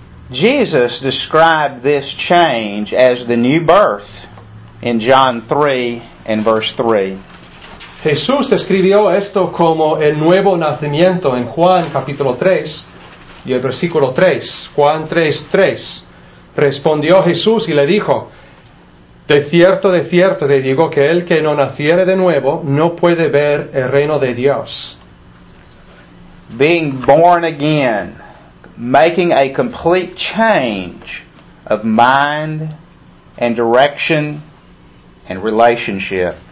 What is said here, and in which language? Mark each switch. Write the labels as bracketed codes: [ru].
[en] Jesus described this change as the new birth in John 3 and verse 3. [es] Jesús describió esto como el nuevo nacimiento en Juan capítulo 3 y el versículo 3. Juan 3:3. Respondió Jesús y le dijo, De cierto, te digo que el que no naciere de nuevo no puede ver el reino de Dios. [en] Being born again, making a complete change of mind and direction and relationship.